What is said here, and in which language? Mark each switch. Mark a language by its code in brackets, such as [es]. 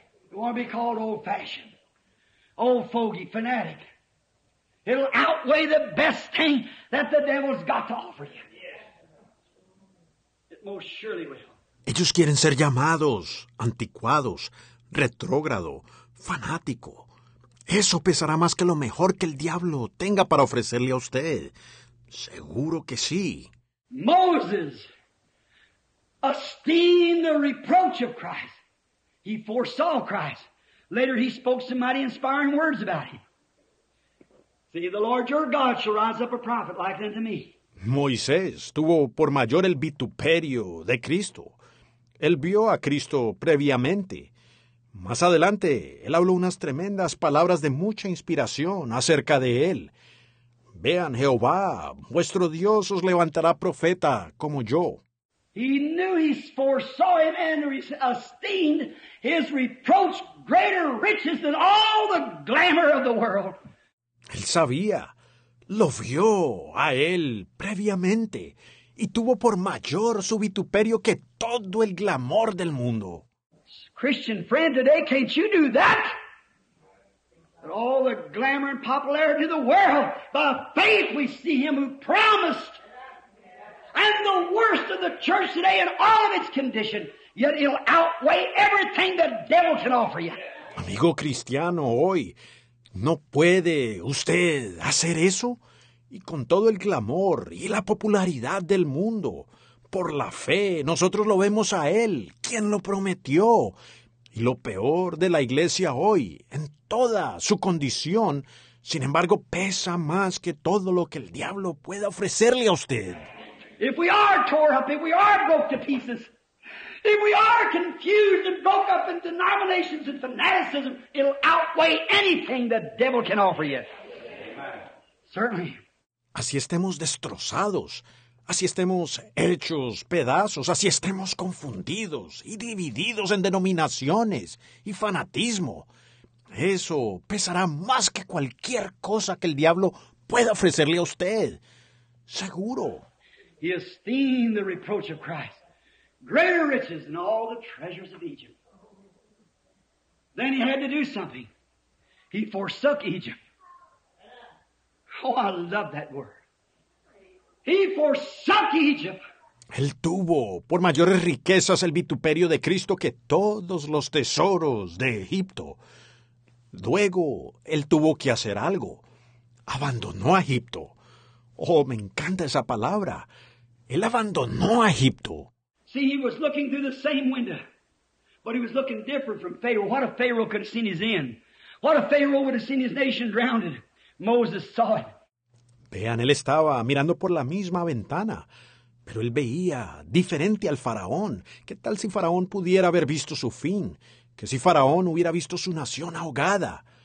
[en] You want to be called old-fashioned, old-fogey, fanatic. It'll outweigh the best thing that the devil's got to offer you. It most surely will. [es] Ellos quieren ser llamados anticuados, retrógrado, fanático. Eso pesará más que lo mejor que el diablo tenga para ofrecerle a usted. Seguro que sí. [en] Moses esteemed the reproach of Christ. He foresaw Christ. Later he spoke some mighty inspiring words about him. See, the Lord your God shall rise up a prophet like unto me. [es] Moisés tuvo por mayor el vituperio de Cristo. Él vio a Cristo previamente. Más adelante, él habló unas tremendas palabras de mucha inspiración acerca de él. Vean, Jehová, vuestro Dios os levantará profeta como yo. [en] He knew he foresaw him and esteemed his reproach greater riches than all the glamour of the world. [es] Él sabía, lo vio a él previamente. Y tuvo por mayor su vituperio que todo el glamour del mundo. [en] Christian friend, today can't you do that? That all the glamour and popularity of the world, by faith we see him who promised. And the worst of the church today in all of its condition, yet it'll outweigh everything the devil can offer you. [es] Amigo cristiano, hoy, ¿no puede usted hacer eso? Y con todo el glamour y la popularidad del mundo, por la fe, nosotros lo vemos a Él, quien lo prometió. Y lo peor de la iglesia hoy, en toda su condición, sin embargo, pesa más que todo lo que el diablo pueda ofrecerle a usted. [en] If we are tore up, if we are broke to pieces, if we are confused and broke up in denominations and fanaticism, it'll outweigh anything the devil can offer you. Certainly. [es] Así estemos destrozados, así estemos hechos pedazos, así estemos confundidos y divididos en denominaciones y fanatismo. Eso pesará más que cualquier cosa que el diablo pueda ofrecerle a usted. Seguro. [en] He esteemed the reproach of Christ greater riches than all the treasures of Egypt. Then he had to do something. He forsook Egypt. Oh, I love that word. He forsook Egypt. [es] Él tuvo por mayores riquezas el vituperio de Cristo que todos los tesoros de Egipto. Luego, él tuvo que hacer algo. Abandonó a Egipto. Oh, me encanta esa palabra. Él abandonó a Egipto. [en] See, he was looking through the same window, but he was looking different from Pharaoh. What if Pharaoh could have seen his end? What if Pharaoh would have seen his nation drowned? Moses saw it. [es] Vean, él estaba mirando por la misma ventana, pero él veía diferente al faraón. ¿Qué tal si faraón pudiera haber visto su fin? ¿Qué si faraón hubiera visto su nación ahogada?